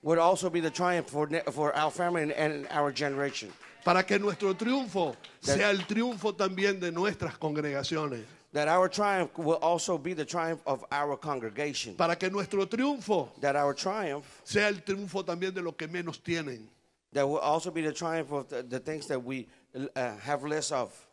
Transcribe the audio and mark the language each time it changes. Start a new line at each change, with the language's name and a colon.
English: Would also be the triumph for our family and our generation.
Spanish: Para que nuestro triunfo sea el triunfo también de nuestras congregaciones.
English: That our triumph will also be the triumph of our congregation.
Spanish: Para que nuestro triunfo,
English: that our triumph,
Spanish: sea el triunfo también de lo que menos tienen.
English: That will also be the triumph of the things that we have less of.